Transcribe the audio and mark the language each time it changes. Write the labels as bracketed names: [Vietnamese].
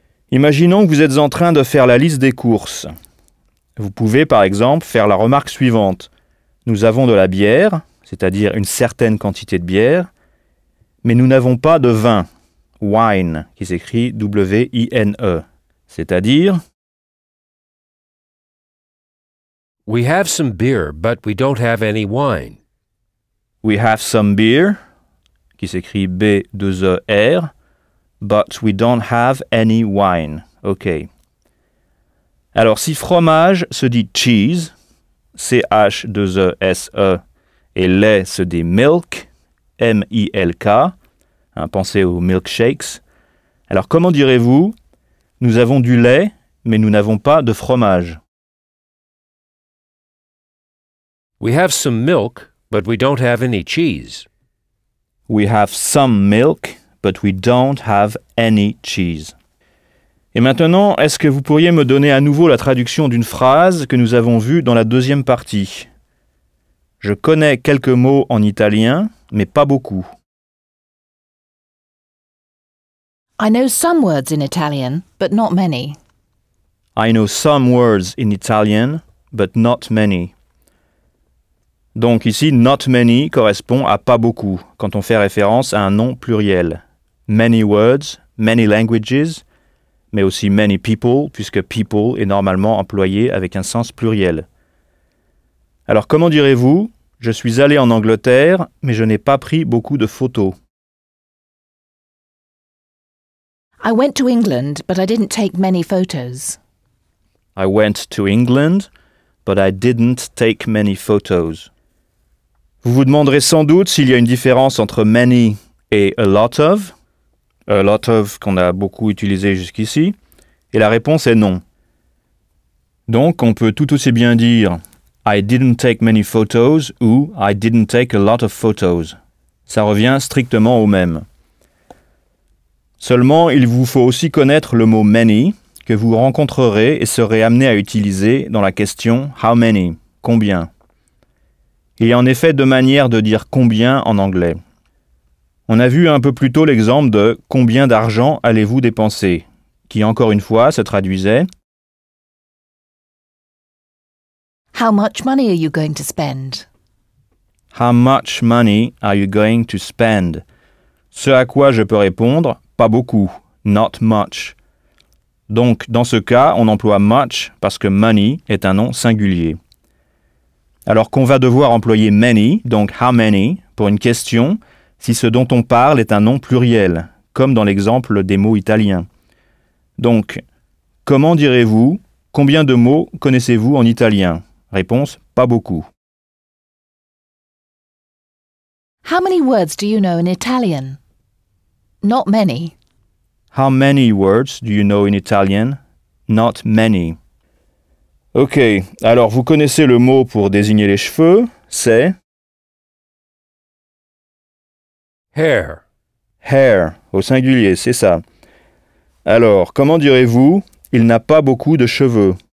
[French] Imaginons que vous êtes en train de faire la liste des courses. Vous pouvez, par exemple, faire la remarque suivante. Nous avons de la bière, c'est-à-dire une certaine quantité de bière, mais nous n'avons pas de vin, wine, qui s'écrit W-I-N-E, c'est-à-dire... [English] We have some beer, but we don't have any wine. We have some beer... [French] qui s'écrit B-E-R, [English] but we don't have any wine. OK. [French] Alors, si fromage se dit cheese, C-H-E-S-E, et lait se dit milk, M-I-L-K, hein, pensez aux milkshakes. Alors, comment direz-vous, nous avons du lait, mais nous n'avons pas de fromage? [English] We have some milk, but we don't have any cheese. We have some milk, but we don't have any cheese. [French] Et maintenant, est-ce que vous pourriez me donner à nouveau la traduction d'une phrase que nous avons vue dans la deuxième partie? Je connais quelques mots en italien, mais pas beaucoup. [English] I know some words in Italian, but not many. I know some words in Italian, but not many. [French] Donc ici, « [English] not many [French] » correspond à « pas beaucoup » quand on fait référence à un nom pluriel. « [English] Many words »,« many languages [French] », mais aussi « [English] many people [French] » puisque « people » est normalement employé avec un sens pluriel. Alors comment direz-vous « je suis allé en Angleterre, mais je n'ai pas pris beaucoup de photos »? [English] I went to England, but I didn't take many photos. I went to England, but I didn't take many photos. [French] Vous vous demanderez sans doute s'il y a une différence entre « many » et « a lot of » qu'on a beaucoup utilisé jusqu'ici, et la réponse est non. Donc, on peut tout aussi bien dire « [English] I didn't take many photos [French] » ou « [English] I didn't take a lot of photos ». [French] Ça revient strictement au même. Seulement, il vous faut aussi connaître le mot « many » que vous rencontrerez et serez amené à utiliser dans la question « [English] how many [French] ?»« Combien ?» Il y a en effet deux manières de dire « combien » en anglais. On a vu un peu plus tôt l'exemple de « combien d'argent allez-vous dépenser ?» qui, encore une fois, se traduisait [English] « How much money are you going to spend ?»« How much money are you going to spend ?» [French] Ce à quoi je peux répondre « pas beaucoup »,« [English] not much ». [French] Donc, dans ce cas, on emploie « much » parce que « money » est un nom singulier. Alors qu'on va devoir employer « many », donc « [English] how many [French] », pour une question si ce dont on parle est un nom pluriel, comme dans l'exemple des mots italiens. Donc, comment direz-vous, combien de mots connaissez-vous en italien ? Réponse, pas beaucoup. [English] How many words do you know in Italian ? Not many. How many words do you know in Italian ? Not many. [French] Ok, alors vous connaissez le mot pour désigner les cheveux, c'est [English] hair. [French] Hair, au singulier, c'est ça. Alors, comment direz-vous, il n'a pas beaucoup de cheveux?